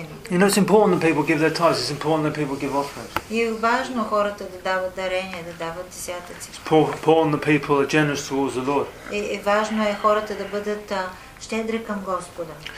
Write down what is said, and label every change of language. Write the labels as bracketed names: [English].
[English] You know, it's important that people give their tithes. It's important that people give offerings. [Bulgarian] И важно хората да дават дарения, да дават десятъци. [English] It's important that people are generous towards the Lord. [Bulgarian] И важно е хората да бъдат щедри към Господа.